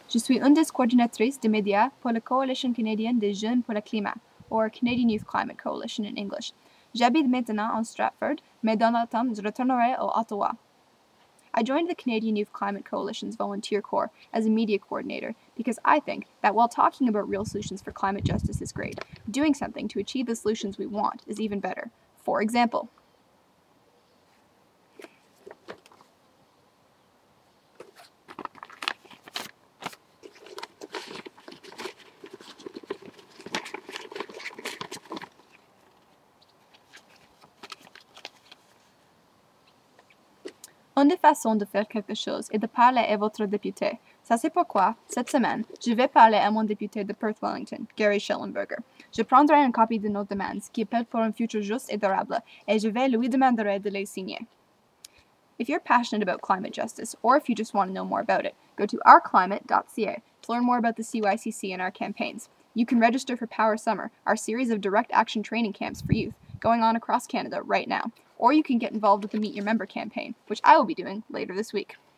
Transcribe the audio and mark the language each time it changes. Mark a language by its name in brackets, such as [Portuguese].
[French] Je suis une des coordinatrices de médias pour la Coalition canadienne des jeunes pour le climat, [English] or Canadian Youth Climate Coalition in English. [French] J'habite maintenant en Stratford, mais dans l'automne, je retournerai à Ottawa. [English] I joined the Canadian Youth Climate Coalition's volunteer corps as a media coordinator because I think that while talking about real solutions for climate justice is great, doing something to achieve the solutions we want is even better. For example, [French] une des façons de faire quelque chose est de parler à votre député. Ça c'est pourquoi, cette semaine, je vais parler à mon député de Perth Wellington, Gary Schellenberger. Je prendrai une copie de nos demandes qui appelle pour un futur juste et durable, et je vais lui demander de les signer. [English] If you're passionate about climate justice, or if you just want to know more about it, go to ourclimate.ca to learn more about the CYCC and our campaigns. You can register for Power Summer, our series of direct action training camps for youth, going on across Canada right now. Or you can get involved with the Meet Your Member campaign, which I will be doing later this week.